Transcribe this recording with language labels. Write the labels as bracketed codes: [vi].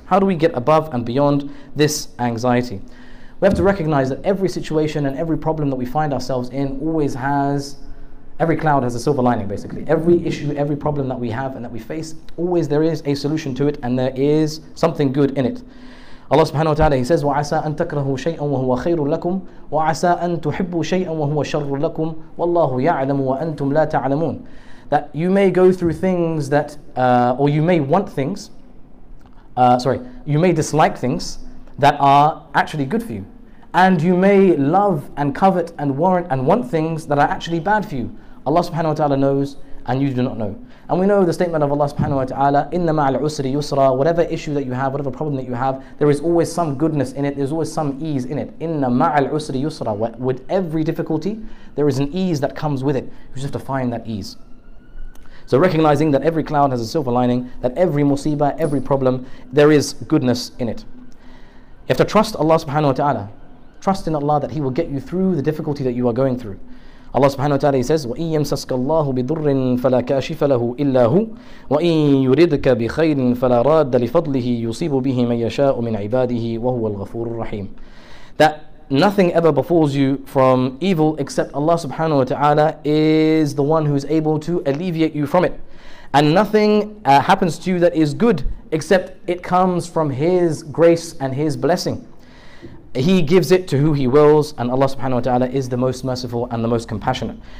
[en] How do we get above and beyond this anxiety? We have to recognize that every situation and every problem that we find ourselves in always has, every cloud has a silver lining basically. Every issue, every problem that we have and that we face, always there is a solution to it and there is something good in it. [ar] Allah subhanahu wa ta'ala, [en] He says, [ar] وَعَسَىٰ أَن تَكْرَهُوا شَيْئًا وَهُوَ خَيْرٌ لَكُمْ وَعَسَىٰ أَن تُحِبُّوا شَيْئًا وَهُوَ شَرٌّ لَكُمْ وَاللَّهُ يَعْلَمُ وَأَنْتُمْ لَا تَعْلَمُونَ. [en] That you may go through things that, or you may want things, you may dislike things that are actually good for you. And you may love and covet and warrant and want things that are actually bad for you. Allah subhanahu wa ta'ala knows and you do not know. And we know the statement of Allah subhanahu wa ta'ala, [ar] إِنَّ مَعَ الْعُسْرِ يُسْرًا. [en] Whatever issue that you have, whatever problem that you have, there is always some goodness in it, there's always some ease in it. [ar] إِنَّ مَعَ الْعُسْرِ يُسْرًا. [en] With every difficulty, there is an ease that comes with it. You just have to find that ease. So recognizing that every cloud has a silver lining, that every musibah, every problem, there is goodness in it. You have to trust Allah subhanahu wa ta'ala. Trust in Allah that He will get you through the difficulty that you are going through. [ar] Allah subhanahu wa ta'ala, [en] He says, [ar] وَإِن يَمْسَسْكَ اللَّهُ بِضُرٍ فَلَا كَاشِفَ لَهُ إِلَّا هُوَ وَإِن يُرِدْكَ بِخَيْرٍ فَلَا رَادَّ لِفَضْلِهِ يُصِيبُ بِهِ مَن يَشَاءُ مِنْ عِبَادِهِ وَهُوَ الْغَفُورُ الرَّحِيمُ. [en] That nothing ever befalls you from evil except Allah subhanahu wa ta'ala is the one who is able to alleviate you from it. And nothing happens to you that is good except it comes from His grace and His blessing. He gives it to who He wills, and Allah subhanahu wa ta'ala is the most merciful and the most compassionate.